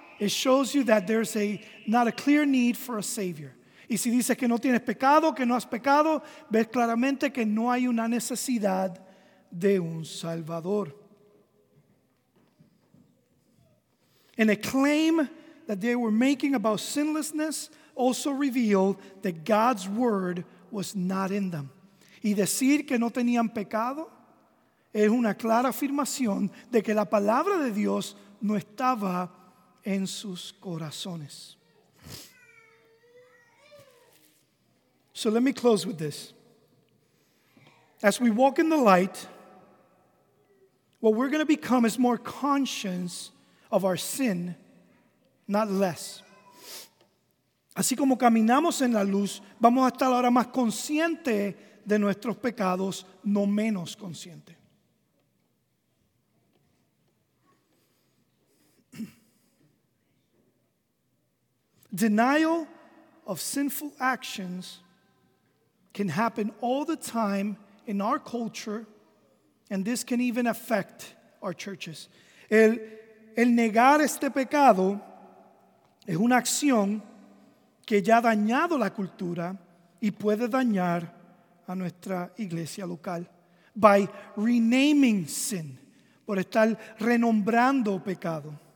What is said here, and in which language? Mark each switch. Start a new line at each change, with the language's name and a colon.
English: It shows you that there's not a clear need for a Savior.
Spanish: Y si dice que no tienes pecado, que no has pecado, ves claramente que no hay una necesidad de un Salvador.
English: And a claim that they were making about sinlessness also revealed that God's word was not in them.
Spanish: Y decir que no tenían pecado es una clara afirmación de que la palabra de Dios no estaba en sus corazones.
English: So let me close with this. As we walk in the light, what we're going to become is more conscious of our sin, not less.
Spanish: Así como caminamos en la luz, vamos a estar ahora más conscientes de nuestros pecados, no menos conscientes.
English: Denial of sinful actions can happen all the time in our culture, and this can even affect our churches.
Spanish: El negar este pecado es una acción que ya ha dañado la cultura y puede dañar a nuestra iglesia local.
English: By renaming sin,
Spanish: por estar renombrando pecado.